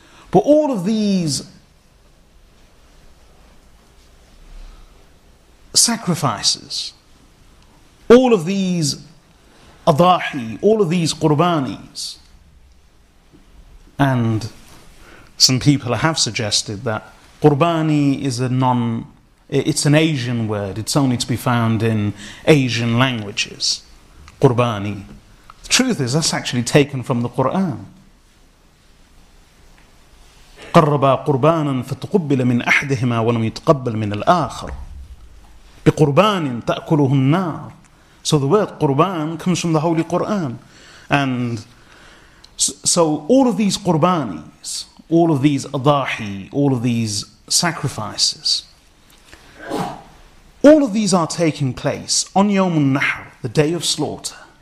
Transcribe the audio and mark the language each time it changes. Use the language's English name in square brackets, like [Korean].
[English] But all of these sacrifices, all of these adahi, all of these qurbanis, and some people have suggested that qurbani is it's an Asian word, it's only to be found in Asian languages, qurbani. Truth is, that's actually taken from the Quran. [Arabic] قربا قربانا فتقبل من أحدهما ولم يتقبل من الآخر بقربان تأكله النار. [English] So the word قربان comes from the Holy Quran. And so all of these قربانيs, all of these أضاحي, all of these sacrifices, all of these are taking place on يوم النحر, the day of slaughter,